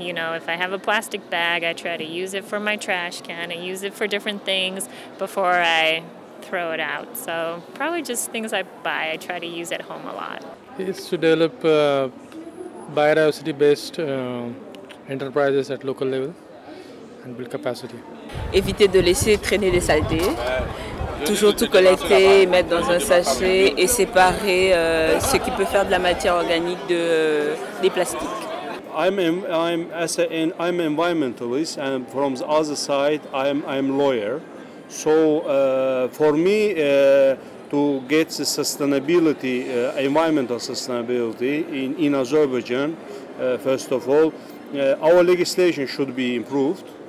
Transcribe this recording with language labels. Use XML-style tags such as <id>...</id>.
<en>You know, if I have a plastic bag, I try to use it for my trash can. I use it for different things before I throw it out. So probably just things I buy, I try to use at home a lot. It's to develop biodiversity-based enterprises at local level and build capacity.</en> <fr>Éviter de laisser traîner les saletés, toujours tout collecter et mettre dans un sachet et séparer ce qui peut faire de la matière organique des plastiques.</fr> <en>I'm environmentalist, and from the other side, I'm lawyer. So for me, to get the sustainability, environmental sustainability in Azerbaijan, first of all, our legislation should be improved.</en>